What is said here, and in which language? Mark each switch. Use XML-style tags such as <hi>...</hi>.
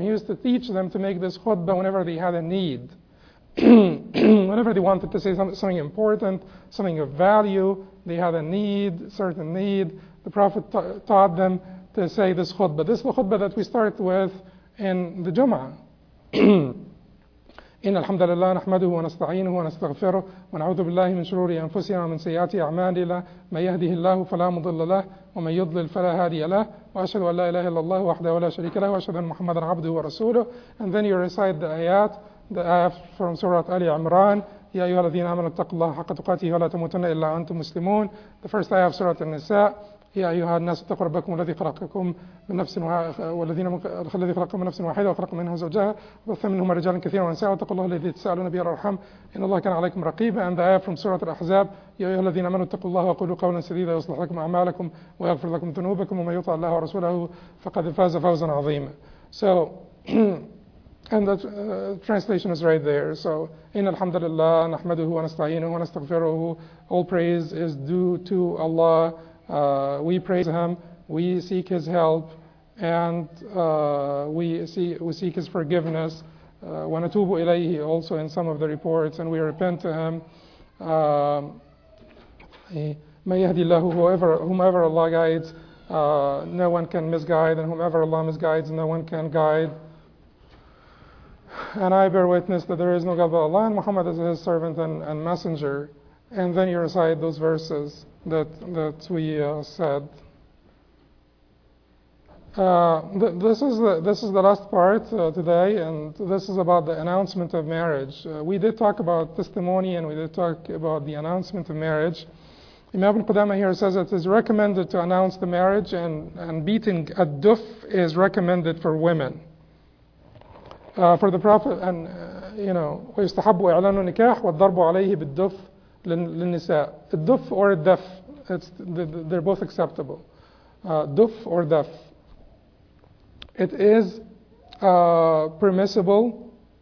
<en>He used to teach them to make this khutbah whenever they had a need, whenever they wanted to say something important, something of value. They had a need, certain need. The Prophet taught them to say this khutbah. This is the khutbah that we start with in the Jum'ah.</en> <ar>إن الحمد لله نحمده ونستعينه ونستغفره ونعوذ بالله من شرور أنفسنا ومن سيئات أعمالنا من يهده الله فلا مضل له ومن يضلل فلا هادي له وأشهد أن لا إله إلا الله وحده ولا شريك له وأشهد أن محمدا عبده ورسوله.</ar> <en>And then you recite the ayat, the ayah from Surah Ali Imran.</en> <ar>يا أيها الذين آمنوا اتقوا الله حق تقاته ولا تموتن إلا أنتم مسلمون.</ar> <en>The first ayah of Surah النساء.</en> <ar>يا أيها الناس اتقوا ربكم الذي خلقكم من نفس الذي خلقكم من نفس واحدة وخلق منها زوجها وبث منهما رجالا كثيرا ونساء واتقوا الله الذي تساءلون به والأرحام إن الله كان عليكم رقيبا.</ar> <en>And the ayah from Surah الأحزاب.</en> <ar>يا أيها الذين آمنوا اتقوا الله وقولوا قولا سديدا يصلح لكم أعمالكم ويغفر لكم ذنوبكم ومن يطع الله ورسوله فقد فاز فوزا عظيما.</ar> <en>So and the translation is right there.</en> <ar>So إن الحمد لله نحمده ونستعينه ونستغفره.</ar> <en>All praise is due to Allah. We praise Him, we seek His help, and we seek His forgiveness.</en> <ar>وَنَتُوبُ إِلَيْهِ,</ar> <en>also in some of the reports, and we repent to Him.</en> <ar>مَنْ يَهْدِ اللَّهُ,</ar> <en>whomever Allah guides, no one can misguide, and whomever Allah misguides, no one can guide. And I bear witness that there is no God but Allah, and Muhammad is His servant and messenger. And then you recite those verses that we said. This is the last part today, and this is about the announcement of marriage. We did talk about testimony, and we did talk about the announcement of marriage. Imam Ibn Qudamah here says it is recommended to announce the marriage, and beating a duf is recommended for women. For the Prophet, and</en> <ar>وَيُسْتَحَبُّ إِعْلَانُ النِّكَاحِ وَالضَّرْبُ عَلَيْهِ بِالدُّفْ لِلنِّسَاءِ.</ar> <en>الدُّفْ or الدَّفْ, they're both acceptable. Duf or daf. It is permissible.</en>